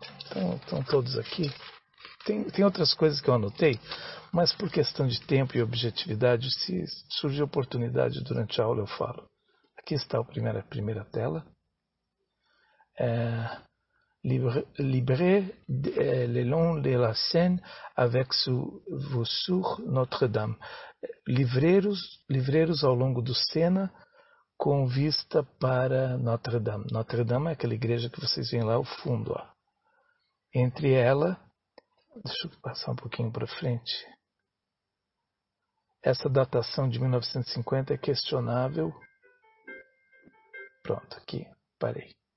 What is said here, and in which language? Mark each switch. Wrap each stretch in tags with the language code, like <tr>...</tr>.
<pt>Estão todos aqui. Tem outras coisas que eu anotei, mas por questão de tempo e objetividade, se surgir oportunidade durante a aula, eu falo. Aqui está a primeira tela.</pt> <fr>Libre le long de la Seine avec sur Notre-Dame.</fr> <pt>Livreiros ao longo do Sena com vista para Notre-Dame. Notre-Dame é aquela igreja que vocês veem lá ao fundo. Ó. Entre ela, deixa eu passar um pouquinho para frente. Essa datação de 1950 é questionável. Pronto, aqui, parei.</pt>